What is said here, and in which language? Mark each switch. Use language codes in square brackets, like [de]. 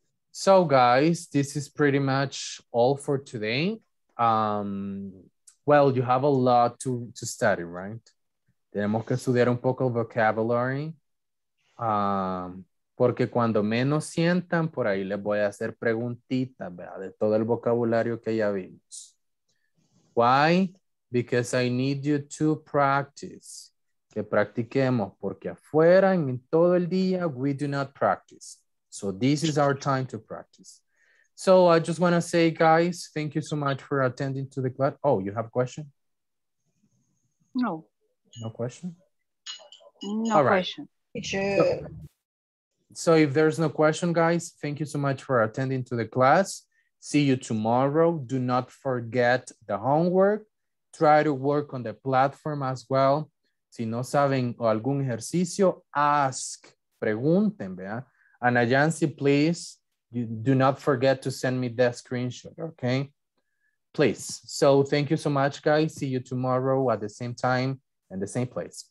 [en] So guys, this is pretty much all for today. Well, you have a lot to study, right? [es] Tenemos que estudiar un poco el vocabulary. Porque cuando menos sientan, por ahí les voy a hacer preguntitas, ¿verdad? De todo el vocabulario que ya vimos. [en] Why? Because I need you to practice. [es] que practiquemos, porque afuera en todo el día, [en] we do not practice. So this is our time to practice. So I just want to say, guys, thank you so much for attending to the class. Oh, you have a question? No. No question? No question. So if there's no question, guys, thank you so much for attending to the class. See you tomorrow. Do not forget the homework. Try to work on the platform as well. [es] Si no saben o algún ejercicio, ask, pregunten, ¿vea? [en] Ana Yancy, please, you do not forget to send me that screenshot, okay? Please. So thank you so much, guys. See you tomorrow at the same time and the same place.